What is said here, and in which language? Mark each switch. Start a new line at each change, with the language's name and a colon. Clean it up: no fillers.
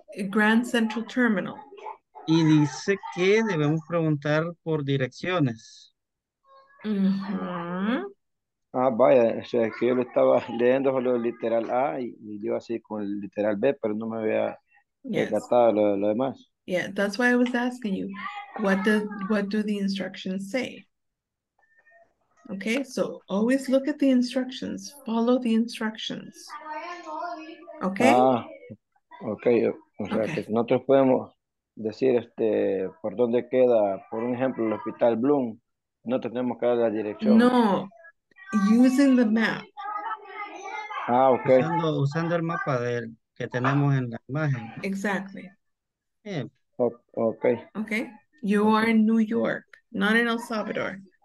English: Grand Central Terminal.
Spanish: Y dice que debemos preguntar por direcciones. Uh-huh. Ah, vaya, o sea, que yo lo estaba leyendo solo el literal A y yo así con el literal B, pero no me había tratado
English: yes.
Spanish: lo demás.
English: Yeah, that's why I was asking you, what do the instructions say? Okay, so always look at the instructions. Follow the instructions. Okay? Okay.
Spanish: O sea, que nosotros podemos decir por dónde queda, por un ejemplo, el Hospital Bloom. No tenemos que dar la dirección.
English: No. Using the map. Ah, okay.
Spanish: Usando el mapa que tenemos en la imagen.
English: Exactly. Yeah. Okay. Okay. You are in New York, not in El Salvador.